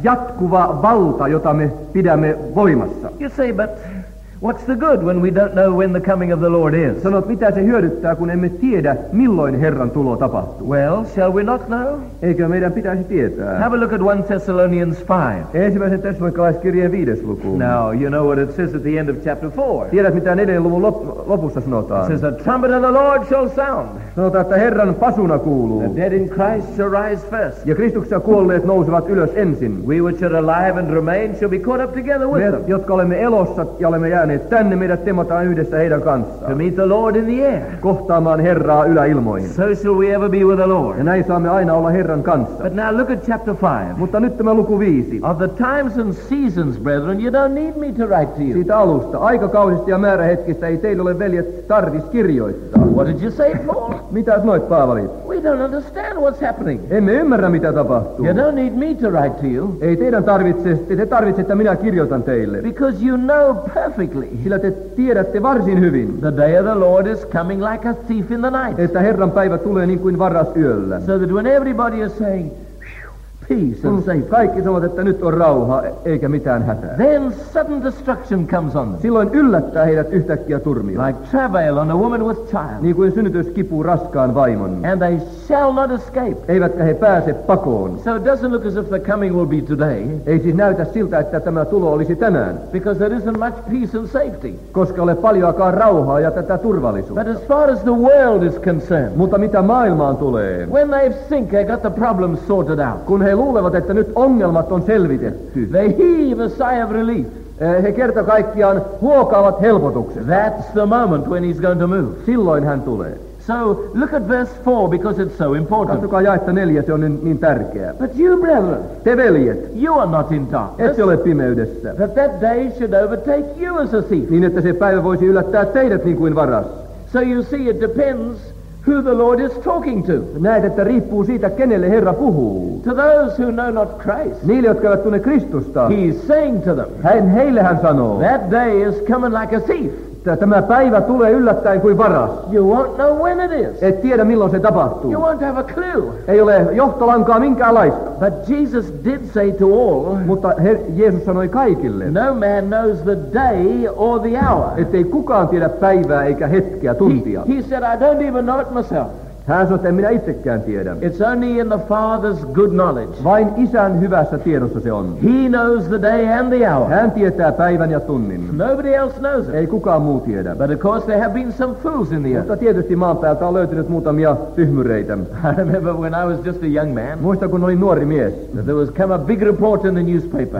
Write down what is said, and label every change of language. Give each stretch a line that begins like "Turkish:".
Finnish: Jatkuva valta, jota me pidämme voimassa.
English: You say, but what's the good when we don't know when the coming of the Lord is?
Finnish: Sanot, mitä se hyödyttää, kun emme tiedä, milloin Herran tulo tapahtuu?
English: Well, shall we not know?
Finnish: Eikö meidän pitäisi tietää?
English: Have a look at 1 Thessalonians 5.
Finnish: Ensimmäisen Tessalonikalaiskirjeen 5. luku.
English: Now, you know what it says at the end of chapter 4.
Finnish: Tiedät, mitä 4. luvun lopussa sanotaan.
English: It says, the trumpet of the Lord shall sound.
Finnish: Sanotaan, että Herran pasuna kuuluu.
English: The dead in Christ shall rise first.
Finnish: Ja Kristuksessa kuolleet nousevat ylös ensin.
English: We which are alive and remain shall be caught up together with them.
Finnish: Me, jotka olemme elossa ja olemme jääneet tänne, meidät temataan yhdessä heidän kanssaan.
English: To meet the Lord in the air.
Finnish: Kohtaamaan Herraa yläilmoihin.
English: So shall we ever be with the Lord.
Finnish: Ja näin saamme aina olla Herran kanssa.
English: But now look at chapter 5.
Finnish: Mutta nyt tämä luku 5.
English: Of the times and seasons, brethren, you don't need me to write to you.
Finnish: Siitä alusta, aikakausista ja määrähetkistä ei teille ole, veljet, tarvis kirjoittaa.
English: What did you say, Paul?
Finnish: Mitä sanoit, Paavali?
English: We don't understand what's happening.
Finnish: Emme ymmärrä, mitä tapahtuu.
English: You don't need me to write to you.
Finnish: Ei teidän tarvitse, te tarvitse, että minä kirjoitan teille.
English: Because you know perfectly.
Finnish: Sillä te tiedätte varsin hyvin.
English: The day of the Lord is coming like a thief in the night.
Finnish: Että Herran päivä tulee niin kuin varas yöllä.
English: So that when everybody is saying, peace and safety.
Finnish: Kaikki sanovat, että nyt on rauha, eikä mitään hätää.
English: Then sudden destruction comes on.
Finnish: Silloin yllättää heidät yhtäkkiä turmio.
English: Like travail on a woman with child.
Finnish: Niin kuin synnytys kipuu raskaan vaimon.
English: And they shall not escape.
Finnish: Eivätkä he pääse pakoon.
English: So it doesn't look as if the coming will be today.
Finnish: Ei siis näytä siltä, että tämä tulo olisi tänään.
English: Because there isn't much peace and safety.
Finnish: Koska ole paljoakaan rauhaa ja tätä turvallisuutta.
English: But as far as the world is concerned.
Finnish: Mutta mitä maailmaan tulee.
English: When they think they got the problem sorted out.
Finnish: Kun he luulevat, että nyt ongelmat on selvitetty.
English: They heave a sigh of relief.
Finnish: He kerta kaikkiaan huokaavat helpotuksen.
English: That's the moment when he's going to move.
Finnish: Silloin hän tulee.
English: So look at verse 4 because it's so important.
Finnish: Katsokaa jaetta 4, se on niin tärkeä.
English: But you brethren,
Finnish: te veljet,
English: you are not in darkness.
Finnish: Ette ole pimeydessä.
English: That day should overtake you as a thief.
Finnish: Niin että se päivä voisi yllättää teidät niin kuin varas.
English: So you see, it depends who the Lord is talking to.
Finnish: Näet, että riippuu siitä, kenelle Herra puhuu.
English: To those who know not Christ.
Finnish: Niille, jotka eivät tunne Kristusta.
English: He is saying to them.
Finnish: Heille hän sanoo.
English: That day is coming like a thief.
Finnish: Tämä päivä tulee yllättäen kuin varas.
English: You won't know when it is.
Finnish: Et tiedä, milloin se tapahtuu.
English: You won't have a clue.
Finnish: Ei ole johtolankaa minkäänlaista.
English: But Jesus did say to all.
Finnish: Mutta Jeesus sanoi kaikille.
English: No man knows the day or the hour.
Finnish: Ettei kukaan tiedä päivää eikä hetkeä, tuntia.
English: He said, I don't even know it myself.
Finnish: Hän sanoi, että en minä itsekään tiedä.
English: It's only in the Father's good knowledge.
Finnish: Vain Isän hyvässä tiedossa se on.
English: He knows the day and the hour.
Finnish: Hän tietää päivän ja tunnin.
English: Nobody else knows it.
Finnish: Ei kukaan muu tiedä.
English: But of course there have been some fools in the earth.
Finnish: Mutta tietysti maan päältä on löytynyt muutamia tyhmyreitä.
English: I remember when I was just a young man.
Finnish: Muista, kun olin nuori mies.
English: There was come a big report in the newspaper.